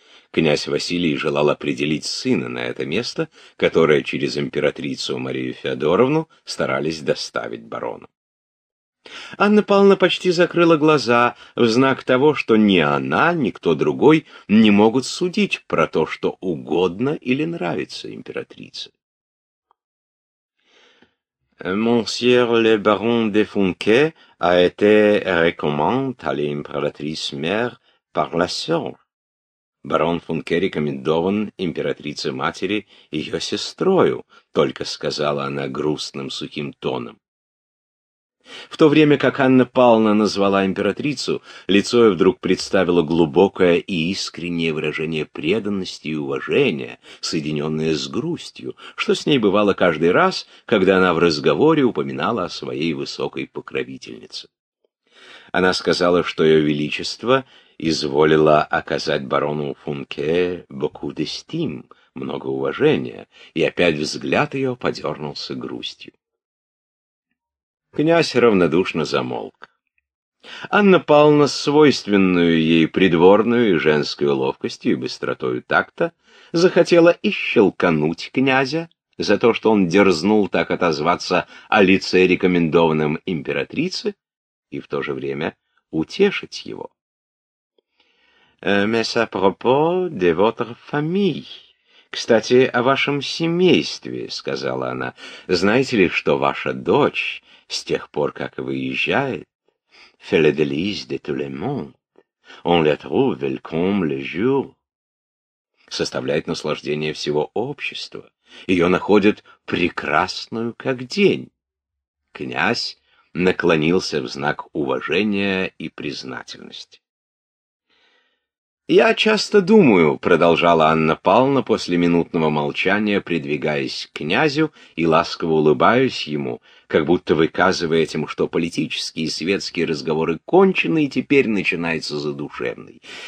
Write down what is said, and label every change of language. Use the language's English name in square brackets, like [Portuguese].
[Russian] Князь Василий желал определить сына на это место, которое через императрицу Марию Феодоровну старались доставить барону. Анна Павловна почти закрыла глаза в знак того, что ни она, ни кто другой не могут судить про то, что угодно или нравится императрице. [French] «Monsieur le baron de Funke a été recommandé à l'impératrice-mère par la sœur». [Russian] «Барон Функе рекомендован императрице-матери ее сестрою», только сказала она грустным сухим тоном. В то время как Анна Павловна назвала императрицу, лицо ее вдруг представило глубокое и искреннее выражение преданности и уважения, соединенное с грустью, что с ней бывало каждый раз, когда она в разговоре упоминала о своей высокой покровительнице. Она сказала, что ее величество изволило оказать барону Функе [French] beaucoup d'estime, [Russian] много уважения, и опять взгляд ее подернулся грустью. Князь равнодушно замолк. Анна Павловна, свойственную ей придворную и женской ловкостью и быстротою такта, захотела и щелкануть князя за то, что он дерзнул так отозваться о лице, рекомендованном императрице, и в то же время утешить его. [French] «Mais à propos de votre famille». [Russian] «Кстати, о вашем семействе», — сказала она. «Знаете ли, что ваша дочь...» С тех пор, как выезжает, [French] «Fait délice de tout le monde, on le trouve welcome le jour», [Russian] составляет наслаждение всего общества, ее находят прекрасную, как день. Князь наклонился в знак уважения и признательности. «Я часто думаю», — продолжала Анна Павловна после минутного молчания, придвигаясь к князю и ласково улыбаясь ему, как будто выказывая этим, что политические и светские разговоры кончены и теперь начинается задушевный.